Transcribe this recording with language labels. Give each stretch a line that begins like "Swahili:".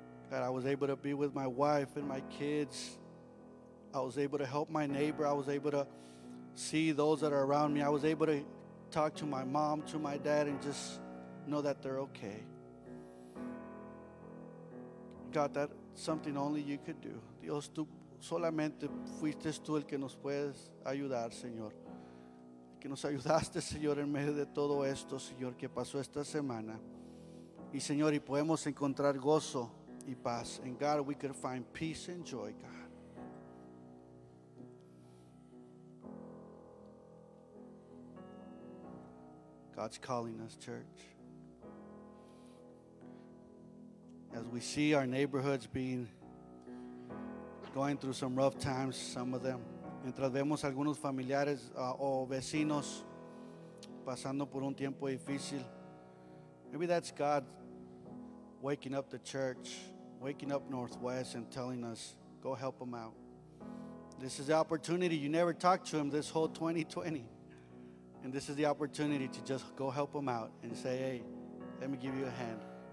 English: God, I was able to be with my wife and my kids. I was able to help my neighbor. I was able to see those that are around me. I was able to talk to my mom, to my dad, and just know that they're okay. God, that's something only you could do.
Spanish: Dios, tú solamente fuiste tú el que nos puedes ayudar, Señor. Que nos ayudaste, Señor, en medio de todo esto, Señor, que pasó esta semana. Y, Señor, y podemos encontrar gozo y paz.
English: And God, we could find peace and joy, God. God's calling us, church. As we see our neighborhoods being going through some rough times, some of them.
Spanish: Mientras vemos algunos familiares o vecinos pasando por un tiempo difícil.
English: Maybe that's God waking up the church, waking up Northwest and telling us, go help them out. This is the opportunity. You never talked to him this whole 2020. And this is the opportunity to just go help them out and say, hey, let me give you a hand.